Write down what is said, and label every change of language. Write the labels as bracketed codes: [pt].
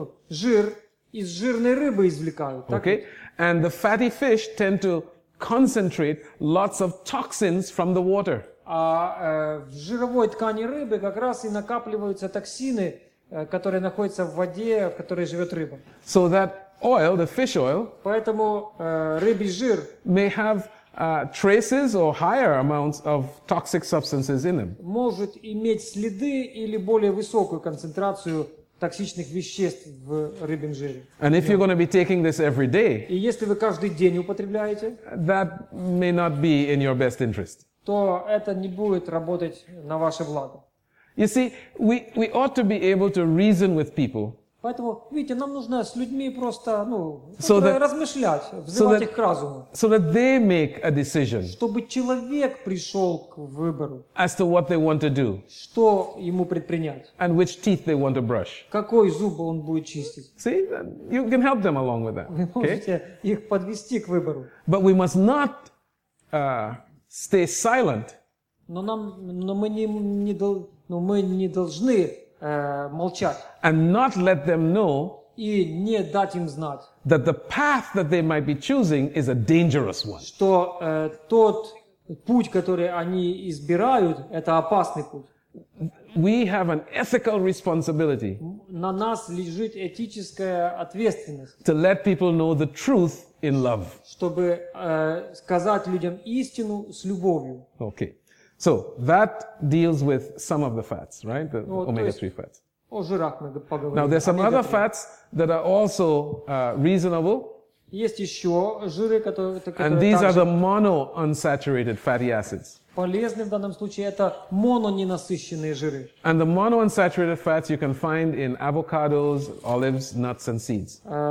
[ru] Жир из жирной рыбы извлекают. [en] Okay, and the fatty fish tend to concentrate lots of toxins from the water. [ru] В жировой ткани рыбы как раз и накапливаются токсины, которые находятся в воде, в которой живет рыба. [en] So that oil, the fish oil, [ru] поэтому рыбий жир [en] may have traces or higher amounts of toxic substances in them. [ru] Может иметь следы или более высокую концентрацию токсичных веществ в рыбьем жире. [en] And if you're going to be taking this every day, [ru] и если вы каждый день употребляете, [en] that may not be in your best interest. [ru] То это не будет работать на ваше благо. [en] You see, we ought to be able to reason with people. [ru] Поэтому, видите, нам нужно с людьми просто, размышлять, взывать их к разуму. [en] So that they make a decision. [ru] Чтобы человек пришел к выбору. [en] As to what they want to do. [ru] Что ему предпринять. [en] And which teeth they want to brush. [ru] Какой зуб он будет чистить. [en] See, you can help them along with that. [ru] Вы можете их подвести к выбору. [en] But we must not stay silent. [ru] Но мы не должны молчать. [en] And not let them know, [ru] и не дать им знать, [en] that the path that they might be choosing is a dangerous one. [ru] Что тот путь, который они избирают, это опасный путь. [en] We have an ethical responsibility. [ru] На нас лежит этическая ответственность. [en] To let people know the truth in love. [ru] Чтобы сказать людям истину с любовью. [en] Okay. So that deals with some of the fats, right? The omega-3 fats. [ru] О жирах мы поговорим. [en] Now there's some other fats that are also reasonable. [ru] Есть еще жиры, которые. [en] And these are the monounsaturated fatty acids. [ru] Полезны в данном случае это мононенасыщенные жиры. [en] And the monounsaturated fats you can find in avocados, olives, nuts, and seeds.